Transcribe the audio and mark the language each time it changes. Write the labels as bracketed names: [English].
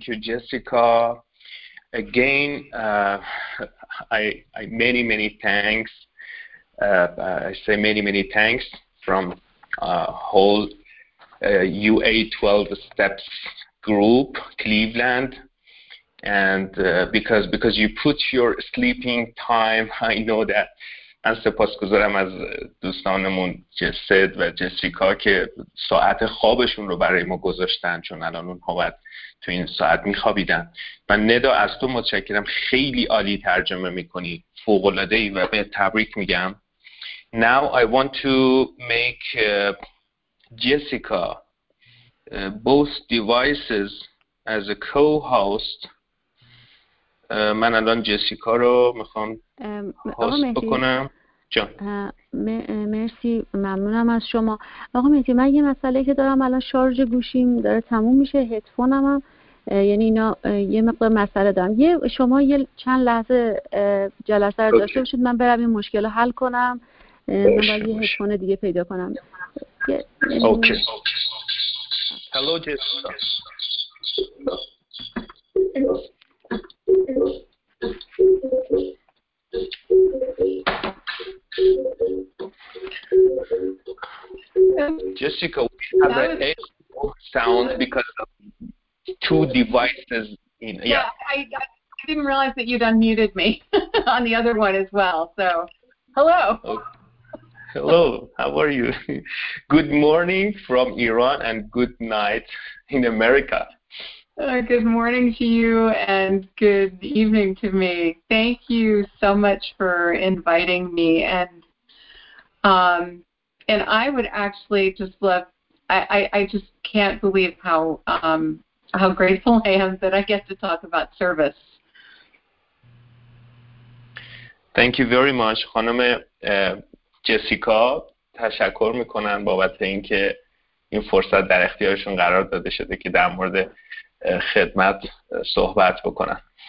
[English] Thank you, Seb. Thank you, Jessica. Again, I many thanks. I say many thanks from whole UA 12 Steps group, Cleveland. And because you put your sleeping time, I know that [Persian] من سپاسگزارم از دوستانمون جسد و جسیکا که ساعت خوابشون رو برای ما گذاشتن، چون الان اونها باید تو این ساعت میخوابیدن. من ندا از تو متشکرم، خیلی عالی ترجمه میکنی، فوق‌العاده‌ای و به تبریک میگم. [English] Now I want to make Jessica both devices as a co-host. [Persian] من الان جسیکا رو میخوام هست بکنم. مرسی، ممنونم از شما. آقا مهدی، من یه مسئله که دارم، الان شارژ گوشیم داره تموم میشه، هدفونم هم، یعنی اینا یه مقدار مسئله دارم. یه شما یه چند لحظه جلسه رو داشته باشید، من برم این مشکل رو حل کنم، من باید یه هدفون دیگه پیدا کنم. اوکی. [English] Hello Jessica, we have an echo sound because of two devices. I didn't realize that you'd unmuted me on the other one as well. So, hello. Okay. Hello, how are you? Good morning from Iran and good night in America. Good morning to you and good evening to me. Thank you so much for inviting me. And I would actually just love, I just can't believe how grateful I am that I get to talk about service. Thank you very much. [Persian] خانم جسیکا، تشکر میکنن بابت اینکه این فرصت در اختیارشون قرار داده شده که در مورد خدمت صحبت بکنن.